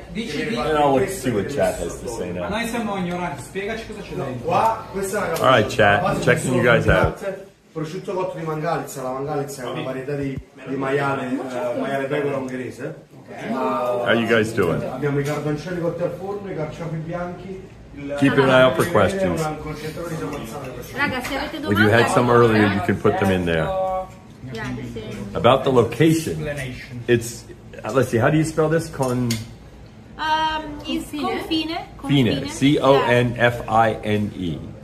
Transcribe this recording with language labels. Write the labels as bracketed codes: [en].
[en] Dici, see what chat has to say now. [it] Ma noi siamo ignoranti, spiegaci cosa c'è dentro. Qua, questa è una [en] cosa. Alright chat, I'm checking you guys out. [it] Prosciutto cotto di mangalizia, la mangalizia è una varietà di maiale pecora ungherese. [en] How are you guys doing? [it] Abbiamo i carboncelli cotti al forno, i carciofi bianchi. [en] Keep an eye out for questions. If you had some earlier, you can put them in there. About the location, it's, let's see, how do you spell this? It's Confine. Confine. C-O-N-F-I-N-E.